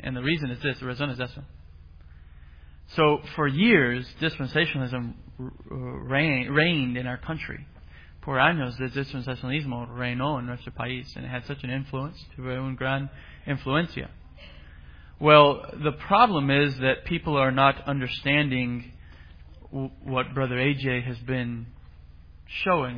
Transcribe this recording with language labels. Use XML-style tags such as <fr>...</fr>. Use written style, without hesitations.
<en>And the reason is this. The reason is this. So, for years, dispensationalism reigned in our country.</en> <es>Por años, el dispensacionalismo reinó en nuestro país.</es> <en>And it had such an influence.</en> <es>Tuvo un gran influencia.</es> <en>Well, the problem is that people are not understanding what Brother AJ has been showing.</en>